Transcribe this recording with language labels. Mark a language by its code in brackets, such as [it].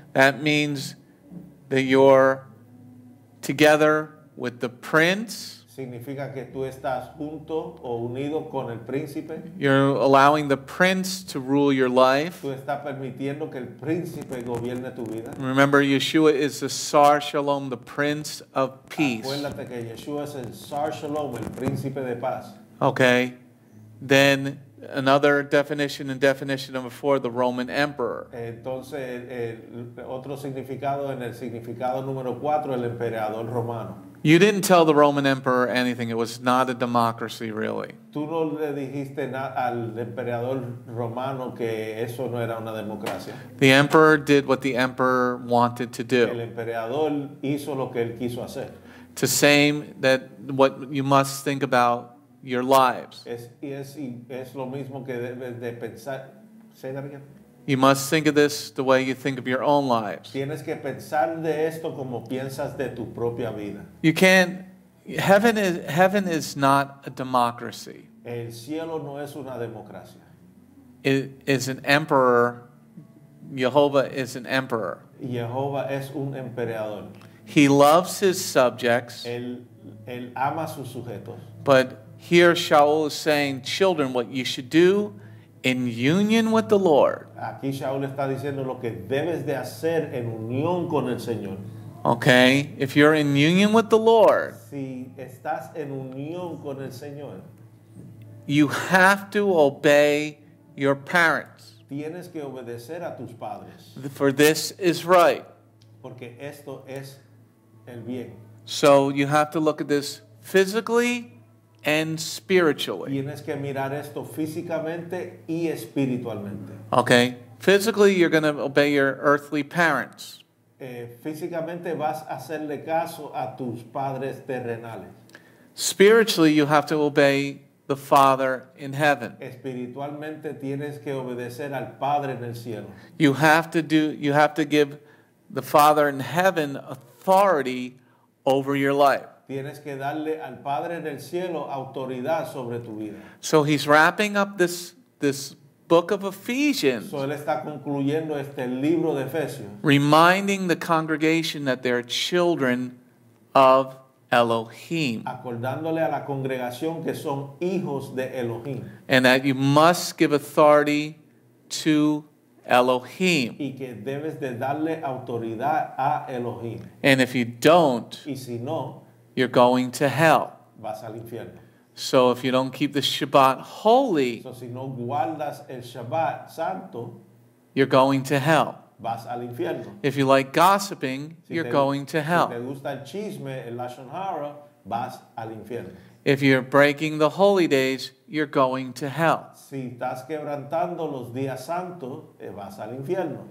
[en] that means that you're together with the prince. [es] Significa que tú estás junto o unido con el príncipe. [en] You're allowing the prince to rule your life. [es] Tú estás permitiendo que el príncipe gobierne tu vida. [en] Remember, Yeshua is the Sar Shalom, the Prince of Peace. [es] Acuérdate que Yeshua es el Sar Shalom, el príncipe de paz. [en] Okay, then another definition and definition number four, the Roman Emperor. [es] Entonces, otro significado en el significado número cuatro, el emperador romano. [en] You didn't tell the Roman Emperor anything. It was not a democracy, really. [es] Tú no le dijiste al emperador romano que eso no era una democracia. [en] The emperor did what the emperor wanted to do. [es] El emperador hizo lo que él quiso hacer. [en] To same that what you must think about your lives. [es] Es lo mismo que debes de pensar. [en] Say that again. You must think of this the way you think of your own lives. [es] Tienes que pensar de esto como piensas de tu propia vida. [en] You can't. Heaven is not a democracy. [es] El cielo no es una democracia. [en] It is an emperor. Jehovah is an emperor. [es] Jehovah es un emperador. [en] He loves his subjects. [es] Él ama sus sujetos. [en] But here Shaul is saying, children, what you should do in union with the Lord. [es] Aquí Shaul está diciendo lo que debes de hacer en unión con el Señor. [en] Okay, if you're in union with the Lord, [es] si estás en unión con el Señor, [en] you have to obey your parents. [es] Tienes que obedecer a tus padres. [en] For this is right. [es] Porque esto es el bien. [en] So you have to look at this physically and spiritually. [es] Tienes que mirar esto físicamente y espiritualmente. [en] Okay. Physically, you're going to obey your earthly parents. [es] Físicamente vas a hacerle caso a tus padres terrenales. [en] Spiritually, you have to obey the Father in heaven. [es] Espiritualmente, tienes que obedecer al Padre en el cielo. [en] You have to give the Father in heaven authority over your life. [es] Tienes que darle al Padre en el cielo autoridad sobre tu vida. [en] So he's wrapping up this book of Ephesians. [es] So él está concluyendo este libro de Efesios. [en] Reminding the congregation that they're children of Elohim. [es] Acordándole a la congregación que son hijos de Elohim. [en] And that you must give authority to Elohim. [es] Y que debes de darle autoridad a Elohim. [en] And if you don't, [es] y si no, [en] you're going to hell. [es] Vas al infierno. [en] So if you don't keep the Shabbat holy, [es] so si no guardas el Shabbat santo, [en] you're going to hell. [es] Vas al infierno. [en] If you like gossiping, si you're going to hell. [es] Si te gusta el chisme, el Lashon Hara, vas al infierno. [en] If you're breaking the holy days, you're going to hell. [es] Si estás quebrantando los días santos, vas al infierno.